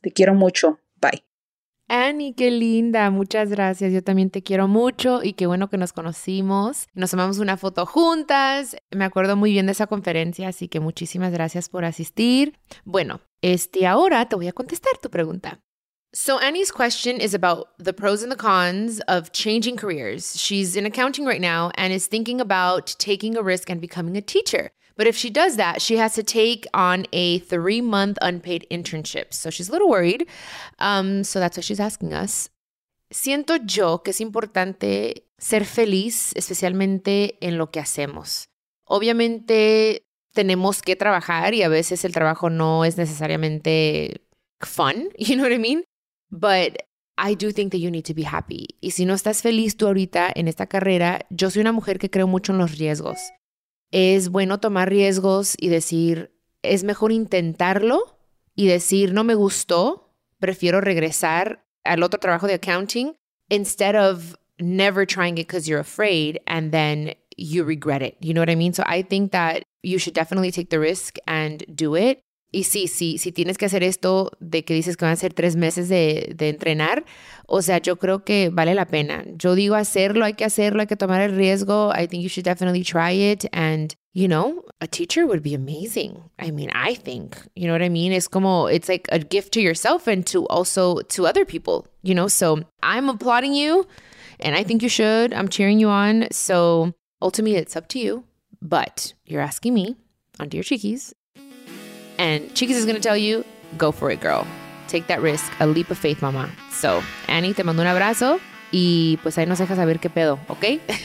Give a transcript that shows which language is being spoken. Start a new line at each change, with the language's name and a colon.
Spanish: Te quiero mucho. Annie, qué linda. Muchas gracias. Yo también te quiero mucho y qué bueno que nos conocimos. Nos tomamos una foto juntas. Me acuerdo muy bien de esa conferencia, así que muchísimas gracias por asistir. Bueno, ahora te voy a contestar tu pregunta.
English: So Annie's question is about the pros and the cons of changing careers. She's in accounting right now and is thinking about taking a risk and becoming a teacher. But if she does that, she has to take on a 3-month unpaid internship. So she's a little worried. So that's why she's asking us.
Spanish: Siento yo que es importante ser feliz, especialmente en lo que hacemos. Obviamente, tenemos que trabajar y a veces el trabajo no es necesariamente fun.
English: You know what I mean? But I do think that you need to be happy.
Spanish: Y si no estás feliz tú ahorita en esta carrera, yo soy una mujer que creo mucho en los riesgos. Es bueno tomar riesgos y decir, es mejor intentarlo y decir, no me gustó, prefiero regresar al otro trabajo de accounting
English: instead of never trying it because you're afraid and then you regret it. You know what I mean? So I think that you should definitely take the risk and do it.
Spanish: Y sí, tienes que hacer esto de que dices que van a ser 3 meses de entrenar, o sea, yo creo que vale la pena. Yo digo hacerlo, hay que tomar el riesgo.
English: I think you should definitely try it. And, you know, a teacher would be amazing. I mean, I think, you know what I mean? It's like a gift to yourself and to also to other people, you know? So I'm applauding you and I think you should. I'm cheering you on. So ultimately, it's up to you. But you're asking me, onto your cheekies. And Chiquis is going to tell you, go for it, girl. Take that risk, a leap of faith, mama.
Spanish: So, Annie, te mando un abrazo y pues ahí nos dejas saber qué pedo, ¿okay?